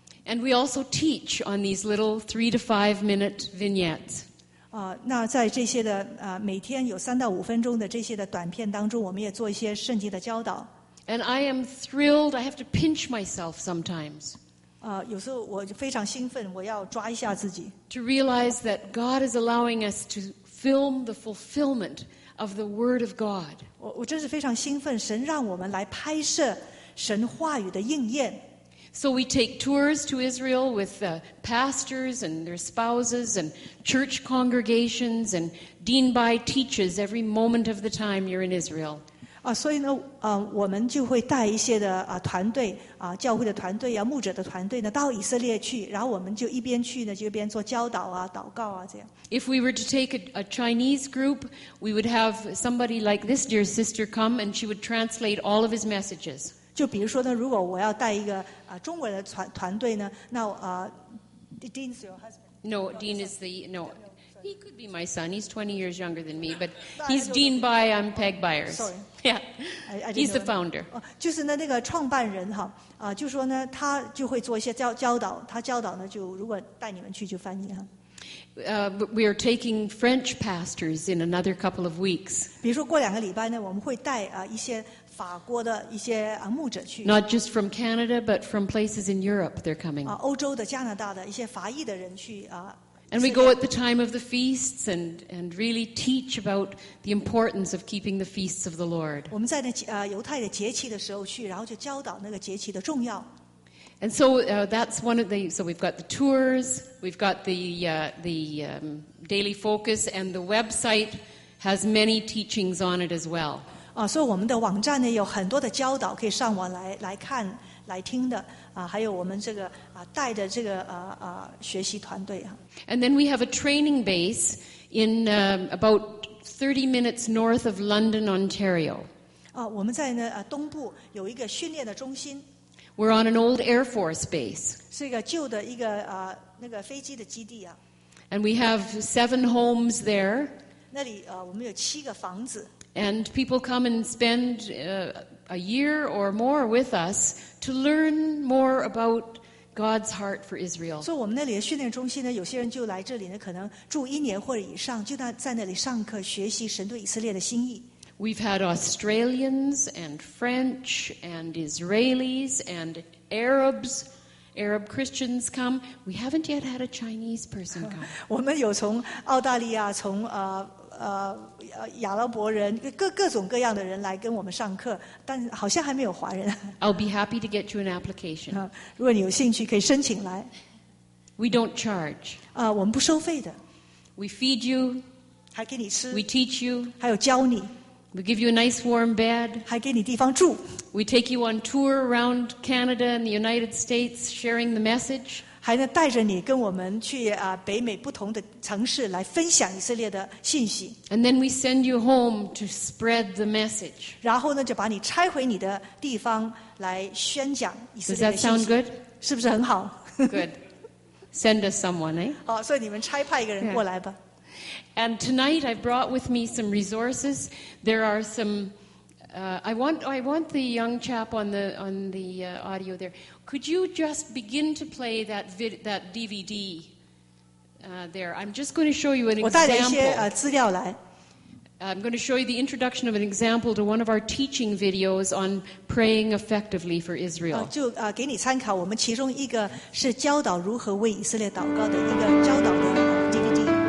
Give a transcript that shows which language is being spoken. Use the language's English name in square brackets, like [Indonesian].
[English] And we also teach on these little 3 to 5 minute vignettes. [Chinese] 那在这些的每天有3到5分钟的这些的短片当中，我们也做一些圣经的教导。 [English] And I am thrilled. I have to pinch myself sometimes. [Chinese] 有时候我非常兴奋，我要抓一下自己。 [English] To realize that God is allowing us to film the fulfillment. Of the Word of God. [Chinese] 我真是非常兴奋，神让我们来拍摄神话语的应验。 [English] So we take tours to Israel with the pastors and their spouses and church congregations and Dean Bai teaches every moment of the time you're in Israel. [Chinese] 所以呢，我们就会带一些的团队教会的团队啊，牧者的团队呢，到以色列去，然后我们就一边去呢，就一边做教导啊、祷告啊这样。 [English] If we were to take a Chinese group, we would have somebody like this dear sister come, and she would translate all of his messages. [Chinese] 就比如说呢，如果我要带一个中国的团队呢，那 [English] Dean's your husband. No, Dean is the no. He could be my son. He's 20 years younger than me, but he's Dean Bai. I'm Peg Byers. Sorry. Yeah. He's the founder. [Chinese] 就是那个创办人哈，就说呢，他就会做一些教导。他教导呢，就如果带你们去，就翻译哈。 [English] We are taking French pastors in another couple of weeks. [Chinese] 比如说过两个礼拜呢，我们会带一些法国的一些牧者去。 [English] Not just from Canada, but from places in Europe, they're coming. [Chinese] 欧洲的、加拿大的一些法裔的人去 [English] And we go at the time of the feasts and really teach about the importance of keeping the feasts of the Lord. [Chinese] 我们在那犹太的节期的时候去，然后就教导那个节期的重要。 [English] And so that's one of the. So we've got the tours, we've got the daily focus, and the website has many teachings on it as well. [Chinese] 所以我们的网站呢有很多的教导可以上网来看来听的。还有我们这个带的这个学习团队啊。 [English] And then we have a training base in about 30 minutes north of London, Ontario. [Chinese] 我们在呢东部有一个训练的中心。 [English] We're on an old Air Force base. [Chinese] 是一个旧的一个那个飞机的基地啊。 [English] And we have 7 homes there. [Chinese] 那里我们有七个房子。 [English] And people come and spend a year or more with us to learn more about God's heart for Israel. [Chinese] So, 我们那里的训练中心呢，有些人就来这里呢，可能住一年或者以上，就在那里上课学习神对以色列的心意。 [English] We've had Australians and French and Israelis and Arabs, Arab Christians come. We haven't yet had a Chinese person come. [Chinese] 我们有从澳大利亚，从亚拉伯人各种各样的人来跟我们上课，但好像还没有华人。 [English] I'll be happy to get you an application. [Chinese] 如果你有兴趣，可以申请来。 [English] We don't charge. [Chinese] 我们不收费的。 [English] We feed you. [Chinese] 还给你吃。 [English] We teach you. [Chinese] 还有教你。 [English] We give you a nice warm bed. [Chinese] 还给你地方住。 [English] We take you on tour around Canada and the United States, sharing the message. [Chinese] 还能带着你跟我们去北美不同的城市来分享以色列的信息。 [English] And then we send you home to spread the message. [Chinese] 然后呢，就把你拆回你的地方来宣讲以色列的信息。 [English] Does that sound good? [Chinese] 是不是很好 [English] ？Good. Send us someone, eh? [Chinese] 好，所以你们差派一个人过来吧。 [English] Yeah. And tonight I've brought with me some resources. There are some. I want the young chap on the audio there. Could you just begin to play that DVD there? I'm just going to show you an example. [Chinese] 我带了一些资料来。 [English] I'm going to show you the introduction of an example to one of our teaching videos on praying effectively for Israel. [Chinese] 就给你参考，我们其中一个是教导如何为以色列祷告的一个教导的 DVD。